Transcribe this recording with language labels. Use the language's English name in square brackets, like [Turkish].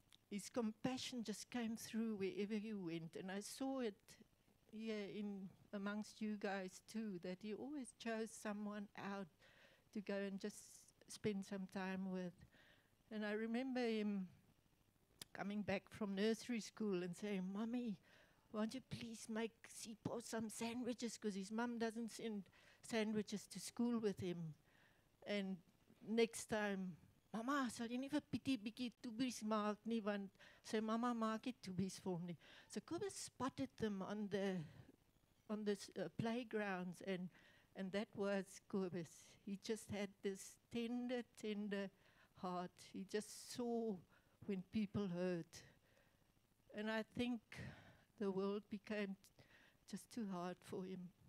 [English] His compassion just came through wherever he went, and I saw it here in amongst you guys too, that he always chose someone out to go and just spend some time with. And I remember him coming back from nursery school and saying, Mommy, won't you please make Sipo some sandwiches, because his mum doesn't send sandwiches to school with him. And [Afrikaans] next time, mama, sal jy nie vir Pietie bietjie toebies maak nie, want sy mama maak nie toebies vir hom nie. [English] So Kobus spotted them on the playgrounds, and that was Kobus. He just had this tender heart. He just saw when people hurt. And I think the world became just too hard for him.